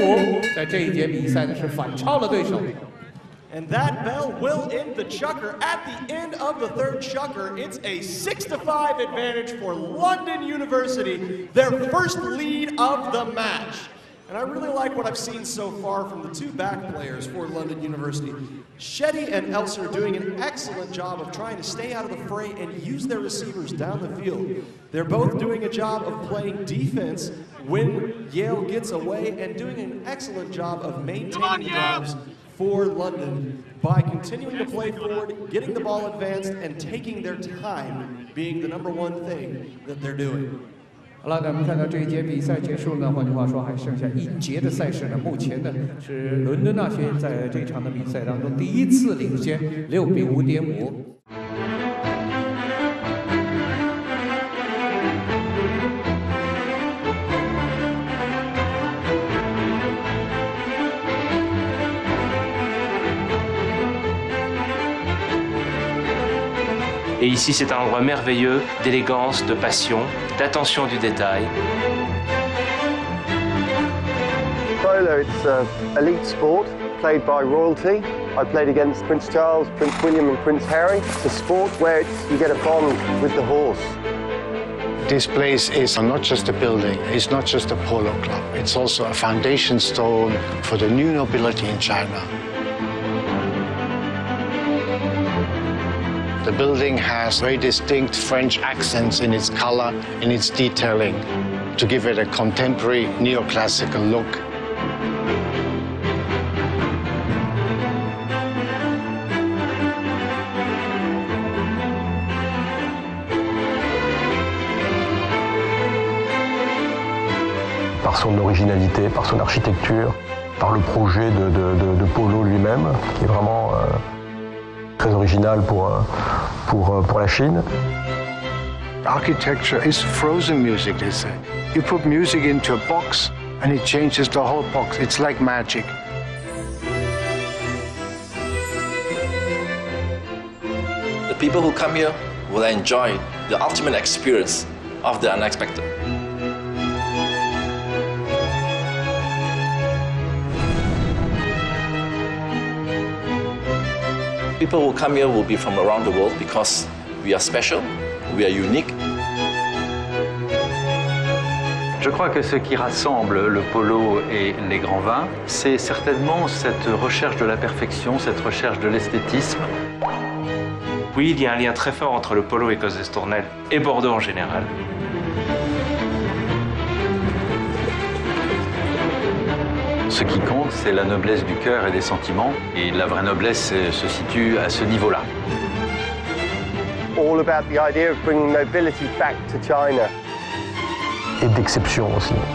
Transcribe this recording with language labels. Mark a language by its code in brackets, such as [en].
[zh] 好了，那我们看到这个球，大家会看到，为什么有趣的是前面的马全部都跑开呢？因为前面马如果横向跑进来的话，就是犯规，所以只能绕到他的后面，所以呢变成呢现在开始10-0，你跑开我不放过这个机会，直接连球带马带人一起过了球门，这就是进球成领，伦敦大学6-5.5，在这一节比赛呢是反超了对手。 [en] And that bell will end the chucker at the end of the third chucker. It's a 6-5 advantage for London University, their first lead of the match. And I really like what I've seen so far from the two back players for London University. Shetty and Elser are doing an excellent job of trying to stay out of the fray and use their receivers down the field. They're both doing a job of playing defense when Yale gets away and doing an excellent job of maintaining the drives for London by continuing to play forward, getting the ball advanced, and taking their time being the number one thing that they're doing. [zh] 好了，那么看到这一节比赛结束的话，换句话说，还剩下一节的赛事呢。目前呢，是伦敦大学在这场的比赛当中第一次领先，6-5。 [fr] Et ici, c'est un endroit merveilleux d'élégance, de passion, d'attention du détail. [en] Polo, it's an elite sport played by royalty. I played against Prince Charles, Prince William, and Prince Harry. It's a sport where you get a bond with the horse. This place is not just a building, it's not just a polo club. It's also a foundation stone for the new nobility in China. The building has very distinct French accents in its color, in its detailing, to give it a contemporary neoclassical look. [fr] Par son originalité, par son architecture, par le projet de Polo lui-même, qui est vraiment très original pour la Chine. [en] Architecture is frozen music, they say. You put music into a box and it changes the whole box. It's like magic. The people who come here will enjoy the ultimate experience of the unexpected. People who come here will be from around the world because we are special, we are unique. [fr] Je crois que ce qui rassemble le polo et les grands vins, c'est certainement cette recherche de la perfection, cette recherche de l'esthétisme. Oui, il y a un lien très fort entre le polo et Cosestournel, et Bordeaux en général. Ce qui compte, c'est la noblesse du cœur et des sentiments. Et la vraie noblesse se situe à ce niveau-là. [en] All about the idea of bringing nobility back to China. [fr] Et d'exception aussi.